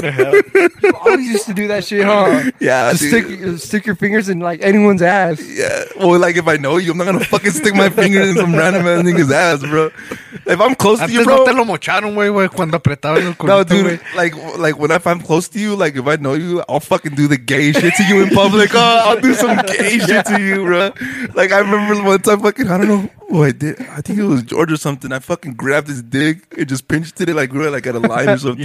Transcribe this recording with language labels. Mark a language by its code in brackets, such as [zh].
[en] You always used to do that shit, huh? Yeah, just stick your fingers in, like, anyone's ass. Yeah, well, like, if I know you, I'm not gonna fucking stick my fingers in some random ass nigga's ass, bro. If I'm close [es] antes [en] to you, bro. [es] No, te lo mocharon, güey, cuando apretaba el culito, [en] no, dude, like, when if I'm close to you, like, if I know you, I'll fucking do the gay shit to you in public. Oh, I'll do some gay shit to you, bro. Like, I remember one time, fucking, I don't know who I did. I think it was George or something. I fucking grabbed his dick and just pinched it, like, really, like, at a line or something.